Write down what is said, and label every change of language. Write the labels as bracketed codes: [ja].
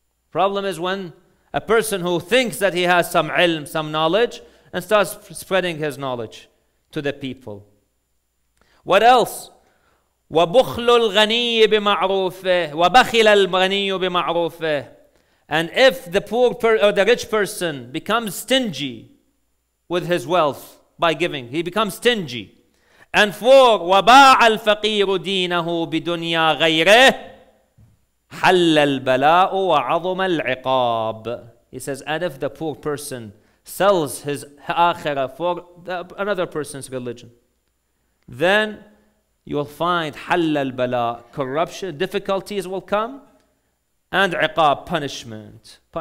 [en] Problem is when a person who thinks that he has some ilm, some knowledge, and starts spreading his knowledge to the people. What else? [ar] وَبُخْلُ الْغَنِيِّ بِمَعْرُوفِهِ وَبَخِلَ الْغَنِيُّ بِمَعْرُوفِهِ. [en] And if the poor or the rich person becomes stingy with his wealth by giving, he becomes stingy. And four, [ar] وَبَاعَ الْفَقِيرُ دِينَهُ بِدُنْيَا غَيْرِهِ حَلَّ الْبَلَاءُ وَعَظُمَ الْعِقَابِ. [en] He says, and if the poor person sells his akhira for another person's religion, then you'll find halal bala, corruption, difficulties will come, and iqab, punishment.